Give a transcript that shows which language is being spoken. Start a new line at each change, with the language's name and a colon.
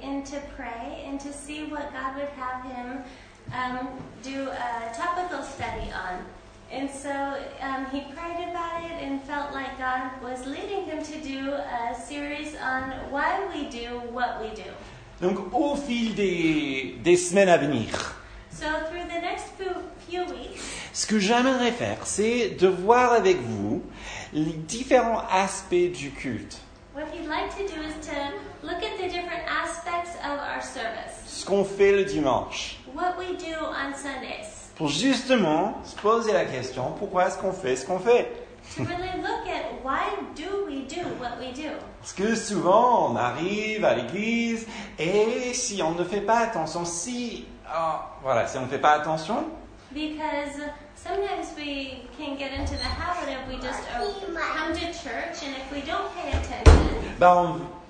English: To pray and to see what God would have him do a topical study on. And so he prayed about it and felt like God was leading him to do a series on why we do what we do.
French: Donc au fil des semaines à venir.
English: So through the next few weeks,
French: ce que j'aimerais faire, c'est de voir avec vous les différents aspects du culte.
English: What he'd like to do is to look at the different aspects of our service.
French: Ce qu'on fait le dimanche.
English: What we do on Sundays.
French: Pour justement se poser la question, pourquoi est-ce qu'on fait ce qu'on fait?
English: To really look at why do we do what we do.
French: Parce que souvent, on arrive à l'église et si on ne fait pas attention, si on ne fait pas attention.
English: Because sometimes we can get into the habit of we just come to church and if we don't pay attention.